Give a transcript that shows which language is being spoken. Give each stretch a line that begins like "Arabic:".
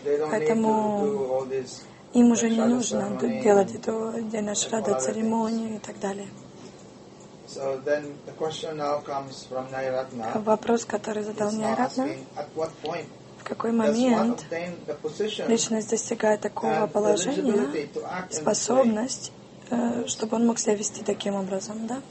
Russian: Поэтому им уже не нужно делать эту день Ашрада, церемонию и так далее.
English: So then the question now comes from Nairatna.
Russian: Вопрос, который задал Найратна, в какой момент личность достигает такого положения, способность, чтобы он мог себя вести таким образом, да?